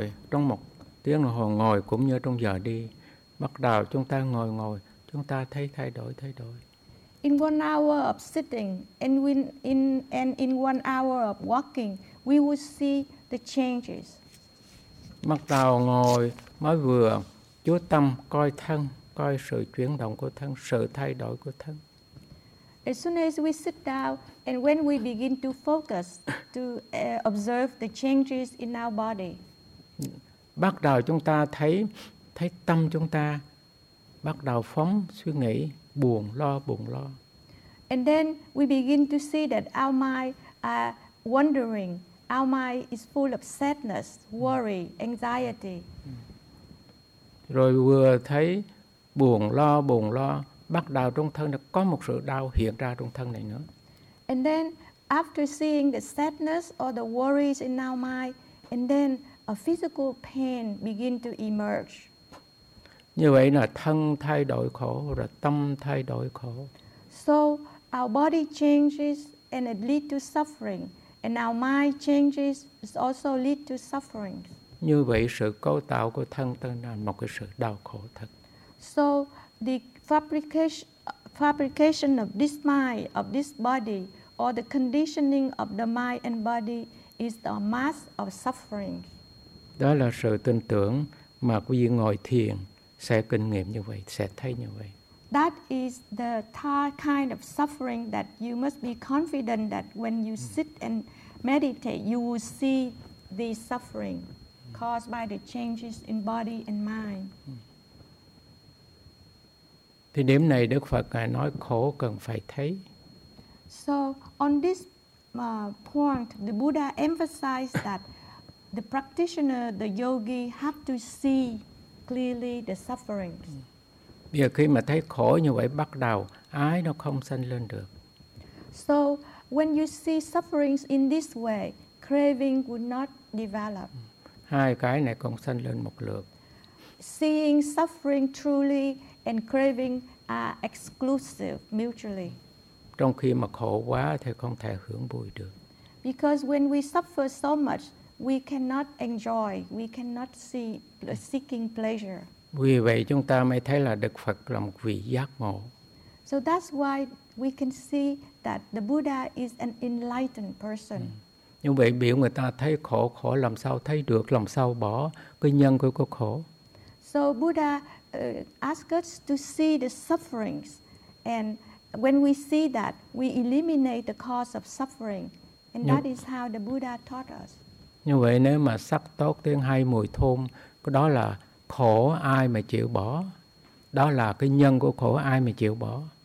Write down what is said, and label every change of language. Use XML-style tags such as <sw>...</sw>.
<vi>Trong một tiếng hồi ngồi cũng như trong giờ đi, bắt đầu chúng ta ngồi, chúng ta thấy thay đổi.</vi> <en>In 1 hour of sitting and in 1 hour of walking, we will see the changes.</en> <vi>Bắt đầu ngồi mới vừa chú tâm coi thân, coi sự chuyển động của thân, sự thay đổi của thân.</vi> <en>As soon as we sit down and when we begin to focus to observe the changes in our body.</en> <vi>Bắt đầu chúng ta thấy tâm chúng ta bắt đầu phóng suy nghĩ buồn lo.</vi> <en>And then we begin to see that our mind are wandering. Our mind is full of sadness, worry, anxiety.</en> <vi>Rồi vừa thấy buồn lo, bắt đầu trong thân là có một sự đau hiện ra trong thân này nữa.</vi> <en>And then after seeing the sadness or the worries in our mind, and then a physical pain begin to emerge.</en> <vi>Như vậy là thân thay đổi khổ, rồi tâm thay đổi khổ.</vi> <en>So our body changes and it lead to suffering, and our mind changes is also lead to suffering.</en> <vi>Như vậy sự cấu tạo của thân tên là một cái sự đau khổ thật.</vi> <en>So the fabrication of this mind, of this body, or the conditioning of the mind and body is the mass of suffering.</en> <vi>Đó là sự tin tưởng mà quý vị ngồi thiền sẽ kinh nghiệm như vậy, sẽ thấy như vậy.</vi> <en>That is the kind of suffering that you must be confident that when you sit and meditate, you will see the suffering caused by the changes in body and mind.</en> <vi>Thì điểm này Đức Phật Ngài nói khổ cần phải thấy.</vi> <en>So on this point, the Buddha emphasized that the practitioner, the yogi, have to see clearly the sufferings.</en> <vi>Bây giờ khi mà thấy khổ như vậy bắt đầu ái nó không sanh lên được.</vi> <en>So when you see sufferings in this way, craving would not develop.</en> <vi>Hai cái này cũng sanh lên một lượt.</vi> <en>Seeing suffering truly and craving are exclusive mutually.</en> <vi>Trong khi mà khổ quá thì không thể hưởng vui được.</vi> <en>Because when we suffer so much, we cannot enjoy, we cannot see seeking pleasure.</en> <vi>Vì vậy chúng ta mới thấy là Đức Phật là một vị giác ngộ.</vi> <en>So that's why we can see that the Buddha is an enlightened person.</en> <vi>Như vậy biểu người ta thấy khổ, khổ làm sao thấy được, làm sao bỏ cái nhân của khổ.</vi> <en>So Buddha asks us to see the sufferings, and when we see that, we eliminate the cause of suffering. And that is how the Buddha taught us.</en> <vi>Như vậy nếu mà sắc tốt, tiếng hay, mùi thơm, đó là khổ ai mà chịu bỏ. Đó là cái nhân của khổ ai mà chịu bỏ.</vi>